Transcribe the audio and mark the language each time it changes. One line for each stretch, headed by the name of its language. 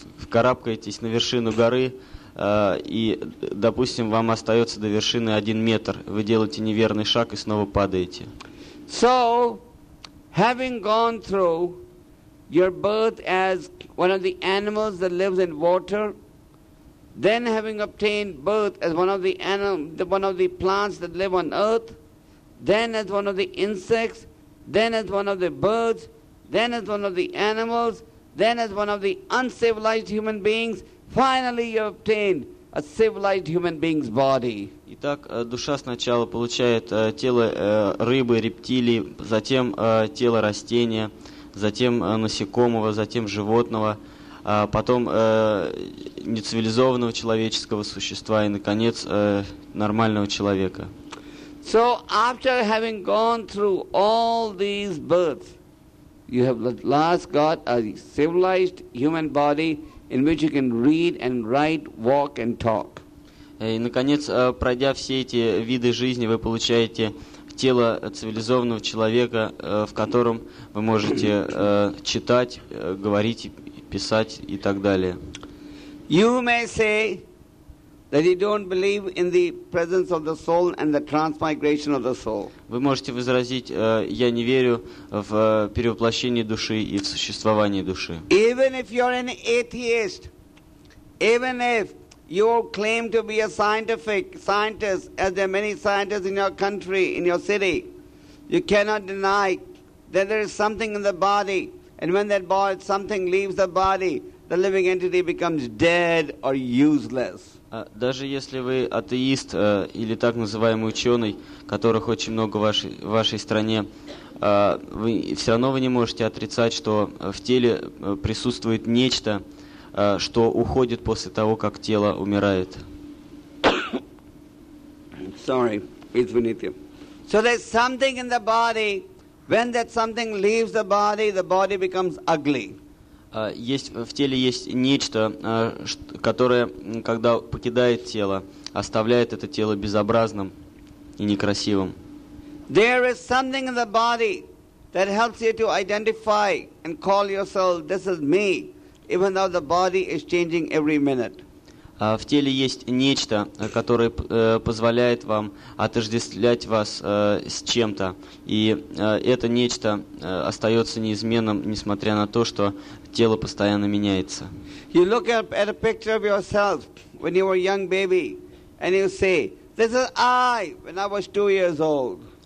Russian: карабкаетесь на вершину горы, и, допустим, вам остается до вершины 1 метр. Вы делаете неверный шаг и снова падаете.
English: So, having gone through your birth as one of the animals that lives in water, then having obtained birth as one of the plants that live on earth, then as one of the insects, then as one of the birds, then as one of the animals, then as one of the uncivilized human beings, finally you obtain a civilized human being's body.
Russian: Итак, душа сначала получает тело рыбы, рептилии, затем тело растения, затем насекомого, затем животного, потом нецивилизованного человеческого существа и, наконец, нормального человека.
English: So after having gone through all these births, you have at last got a civilized human body in which you can read and write, walk and talk.
Russian: И, наконец, пройдя все эти виды жизни, вы получаете тело цивилизованного человека, в котором вы можете читать, говорить, писать и так далее.
English: You may say that you don't believe in the presence of the soul and the transmigration of the soul.
Russian: Вы можете возразить, я не верю в перевоплощение души и в существование души.
English: Even if you're an atheist, even if you claim to be a scientist, as there are many scientists in your country, in your city, you cannot deny that there is something in the body, and when that body, something leaves the body, the living entity becomes dead or useless.
Russian: Даже если вы атеист или так называемый ученый, которых очень много в вашей стране, вы все равно вы не можете отрицать, что в теле присутствует нечто, что уходит после того, как тело умирает.
English: Sorry, it's beneath you. So there's something in the body. When that something leaves the body becomes ugly.
Russian: В теле есть нечто, которое, когда покидает тело, оставляет это тело безобразным и некрасивым.
English: There is something in the body that helps you to identify and call yourself, this is me, even though the body is changing every minute.
Russian: В теле есть нечто, которое позволяет вам отождествлять вас с чем-то. И это нечто остается неизменным, несмотря на то, что тело постоянно меняется.
English: You look at a picture of yourself when you were a young baby, and you say, this is I when I was 2 years old.